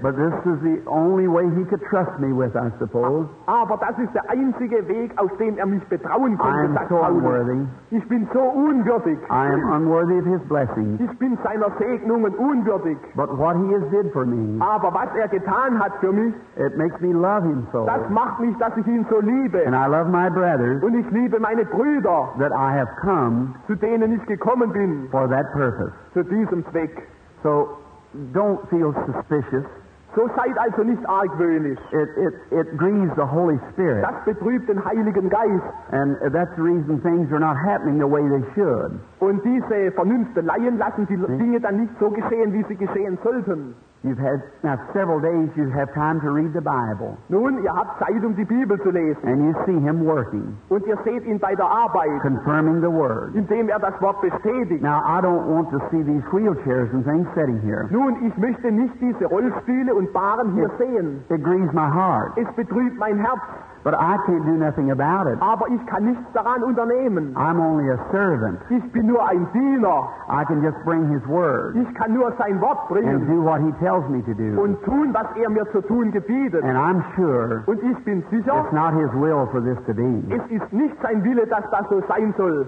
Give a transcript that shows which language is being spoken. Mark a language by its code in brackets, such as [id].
[en] But this is the only way he could trust me with, I suppose. [de] Aber das ist der einzige Weg, auf den mich betrauen könnte. [en] I am so unworthy. [de] Ich bin so unwürdig. [en] I am unworthy of his blessings. [de] Ich bin seiner Segnungen unwürdig. [en] But what he has did for me. [de] Aber was getan hat für mich. [en] It makes me love him so. [de] Das macht mich, dass ich ihn so liebe. [en] And I love my brothers. [de] Und ich liebe meine Brüder. [en] That I have come. [de] Zu denen ich gekommen bin. [en] For that purpose. [de] Zu diesem Zweck. [en] So don't feel suspicious. [de] So seid also nicht argwöhnisch. [en] It grieves the Holy Spirit. [de] Das betrübt den Heiligen Geist. [en] And that's the reason things are not happening the way they should. [de] Und diese Vernünfteleien lassen die Dinge dann nicht so geschehen, wie sie geschehen sollten. [en] You've had now several days you have time to read the Bible. [de] Nun, ihr habt Zeit, die Bibel zu lesen. [en] And you see him working. [de] Und ihr seht ihn bei der Arbeit. [en] Confirming the word. [de] Indem das Wort bestätigt. [en] Now I don't want to see these wheelchairs and things sitting here. [de] Nun, ich möchte nicht diese Rollstühle und Bahren hier sehen. [en] It grieves my heart. [de] Es betrübt mein Herz. [en] But I can't do nothing about it. [de] Aber ich kann nichts daran unternehmen. [en] I'm only a servant. [de] Ich bin nur ein Diener. [en] I can just bring his word. [de] Ich kann nur sein Wort bringen. [en] And do what he tells me to do. [de] Und tun, was mir zu tun gebietet. [en] And I'm sure. [de] Und ich bin sicher. [en] It's not his will for this to be. [de] Es ist nicht sein Wille, dass das so sein soll.